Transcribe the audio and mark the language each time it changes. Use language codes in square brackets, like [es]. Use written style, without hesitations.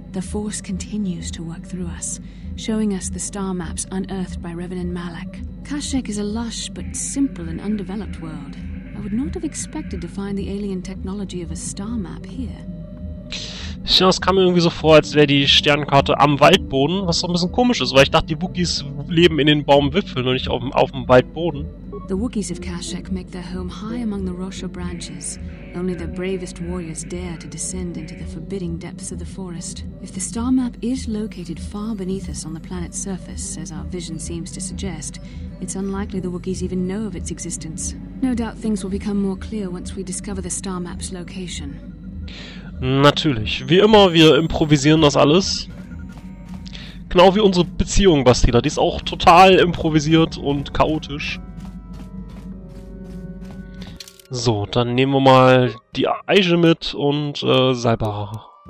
[en] The Force continues to work through us, showing us the star maps unearthed by Revenant Malak. Kashyyyk is a lush but simple and undeveloped world. I would not have expected to find the alien technology of a star map here. [de] Ja, es kam mir irgendwie so vor, als wäre die Sternkarte am Waldboden, was so ein bisschen komisch ist, weil ich dachte, die Wookies leben in den Baumwipfeln und nicht auf dem Waldboden. [en] The Wookies of Kashyyyk make their home high among the Rosha branches. Only the bravest warriors dare to descend into the forbidding depths of the forest. If the star map is located far beneath us on the planet's surface, as our vision seems to suggest, it's unlikely the Wookies even know of its existence. No doubt things will become more clear once we discover the star map's location. [de] Natürlich. Wie immer, wir improvisieren das alles. Genau wie unsere Beziehung, Bastila. Die ist auch total improvisiert und chaotisch. So, dann nehmen wir mal die Eiche mit und Salbara.